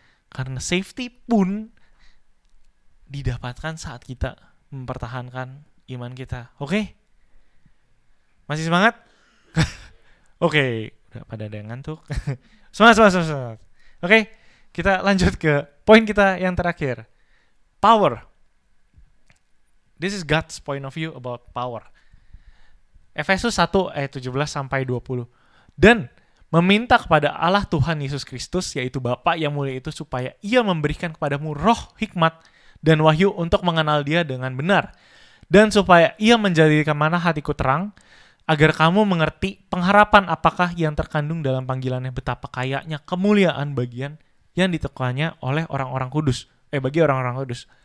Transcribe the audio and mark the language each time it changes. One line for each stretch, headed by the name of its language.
Indonesian: Karena safety pun didapatkan saat kita mempertahankan iman kita. Oke? Okay? Masih semangat? Oke. Okay. Udah pada ada yang ngantuk. Semangat. Oke, okay, kita lanjut ke poin kita yang terakhir.
English: Power. This is God's point of view about power.
Indonesian: Efesus 1 ayat 17-20. Dan meminta kepada Allah Tuhan Yesus Kristus, yaitu Bapa yang mulia itu, supaya Ia memberikan kepadamu roh hikmat dan wahyu untuk mengenal Dia dengan benar, dan supaya Ia menjadikan mana hatiku terang, agar kamu mengerti pengharapan apakah yang terkandung dalam panggilannya, betapa kayanya kemuliaan bagian yang ditekuannya oleh orang-orang kudus. Bagi orang-orang kudus.